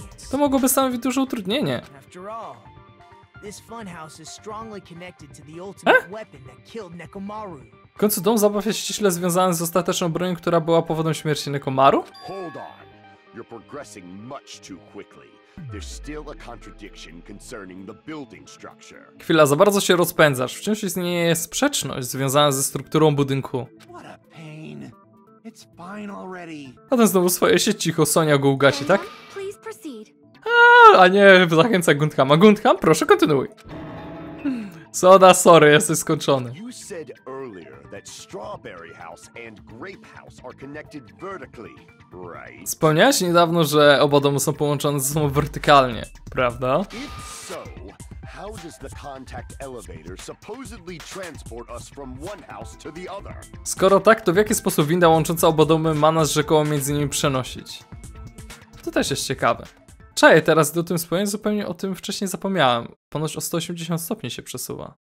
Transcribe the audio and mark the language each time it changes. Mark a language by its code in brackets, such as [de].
[pl] To mogłoby stanowić duże utrudnienie. [en] This funhouse is strongly connected to the ultimate weapon that killed Nekomaru. [pl] W końcu dom zabaw jest ściśle związany z ostateczną bronią, która była powodem śmierci Nekomaru? [en] Hold on. You're progressing much too quickly. There's still a contradiction concerning the building structure. [pl] Chwila, za bardzo się rozpędzasz. Wciąż istnieje sprzeczność związana ze strukturą budynku. [en] What a pain. It's fine already. [pl] A ten znowu swoje się cicho, Sonia go ugasi, tak? [en] Please proceed. [pl] A nie, zachęca Gundhama. Gundham, proszę kontynuuj. Soda, sorry, jesteś skończony. [en] You said earlier that Strawberry House and Grape House are connected vertically, right? [pl] Wspomniałeś niedawno, że oba domy są połączone ze sobą wertykalnie, prawda? [en] If so, how does the contact elevator supposedly transport us from one house to the other? [pl] Skoro tak, to w jaki sposób winda łącząca oba domy ma nas rzekomo między nimi przenosić? To też jest ciekawe. Czaję teraz, gdy o tym wspomnę, zupełnie o tym wcześniej zapomniałem. Ponoć o 180 stopni się przesuwa.